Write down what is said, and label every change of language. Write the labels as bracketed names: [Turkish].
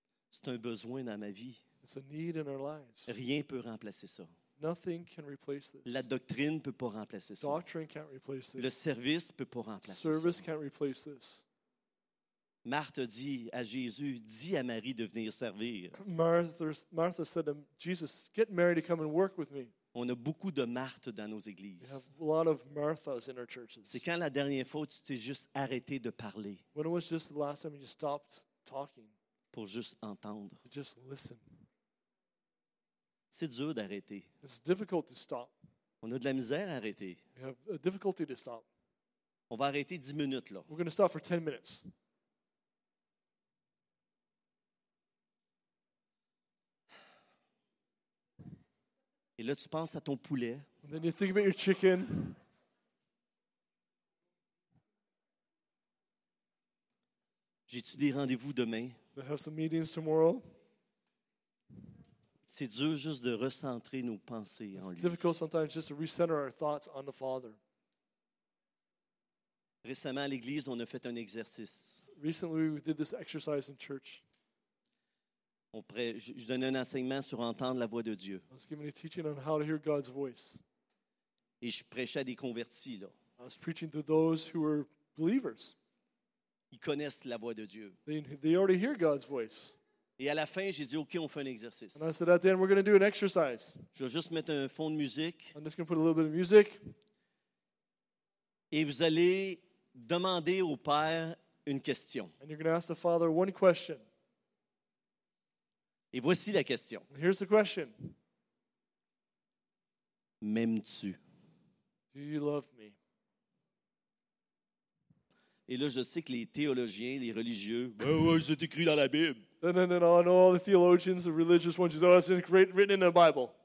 [French] C'est un besoin dans ma vie. [English] It's a need in our lives. [French] Rien ne peut remplacer ça. [English] Nothing can replace this. [French] La doctrine ne peut pas remplacer ça. [English] Doctrine can't replace this. [French] Le service ne peut pas remplacer ça. [English] Service can't replace this. [French] Martha dit à Jésus, dis à Marie de venir servir. [English] Martha said to Jesus, get Mary to come and work with me. [French] On a beaucoup de Marthe dans nos églises. [English] We have a lot of Marthas in our churches. [French] C'est quand la dernière fois tu t'es juste arrêté de parler. [English] When it was just the last time you just stopped talking. [French] Pour juste entendre. [English] Just listen. [French] C'est dur d'arrêter. [English] It's difficult to stop. [French] On a de la misère à arrêter. [English] We have a difficulty to stop. [French] On va arrêter 10 minutes là. [English] We're going to stop for 10 minutes. [French] Et là, tu penses à ton poulet. [English] And then you think about your chicken. [French] J'ai-tu des rendez-vous demain? [English] I have some meetings tomorrow. [French] C'est dur juste de recentrer nos pensées [English] It's [French] en lui. [English] It's difficult sometimes just to recenter our thoughts on the Father. [French] Récemment, à l'église, on a fait un exercice. [English] Recently, we did this exercise in church. [French] Je donnais un enseignement sur entendre la voix de Dieu. [English] I was giving a teaching on how to hear God's voice. [French] Et je prêchais à des convertis là. [English] I was preaching to those who were believers. [French] Ils connaissent la voix de Dieu. [English] They already hear God's voice. [French] Et à la fin, j'ai dit, OK, on fait un exercice. [English] And I said, at the end, we're going to do an exercise. [French] Je vais juste mettre un fond de musique. [English] I'm just going to put a little bit of music. [French] Et vous allez demander au Père une question. [English] And you're going to ask the Father one question. [French] Et voici la question. [English] Here's the question. [French] M'aimes-tu? [English] Do you love me? [French] Et là, je sais que les théologiens, les religieux, ben oui, c'est écrit dans la Bible. [English] No. I know all the theologians, the religious ones, you say, oh, it's written in the Bible.